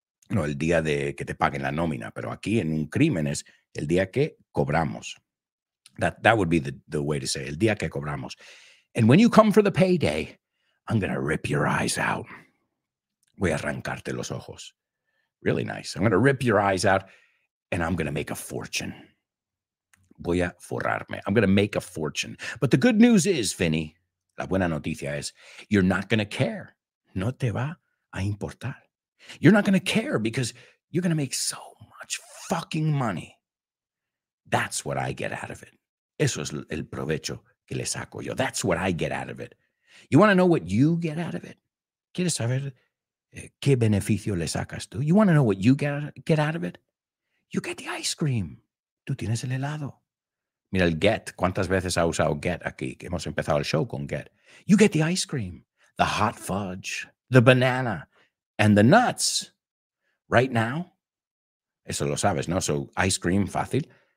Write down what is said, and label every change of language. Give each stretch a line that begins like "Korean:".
Spanish: No, el día de que te paguen la nómina, pero aquí en un crimen es el día que cobramos.
English: That would be the way to say it,
Spanish: el día que cobramos.
English: And when you come for the payday, I'm going to rip your eyes out.
Spanish: Voy a arrancarte los ojos.
English: Really nice. I'm going to rip your eyes out and I'm going to make a fortune.
Spanish: Voy a forrarme.
English: I'm going to make a fortune. But the good news is, Vinny,
Spanish: la buena noticia es,
English: you're not going to care.
Spanish: No te va a importar.
English: You're not going to care because you're going to make so much fucking money. That's what I get out of it.
Spanish: Eso es el provecho que le saco yo.
English: That's what I get out of it. You want to know what you get out of it?
Spanish: ¿Quieres saber qué beneficio le sacas tú?
English: You want to know what you get out of it? You get the ice cream.
Spanish: Tú tienes el helado. Mira el get. ¿Cuántas veces ha usado get aquí? Hemos empezado el show con get.
English: You get the ice cream, the hot fudge, the banana, and the nuts. Right now,
Spanish: eso lo sabes, ¿no?
English: So ice cream, fácil.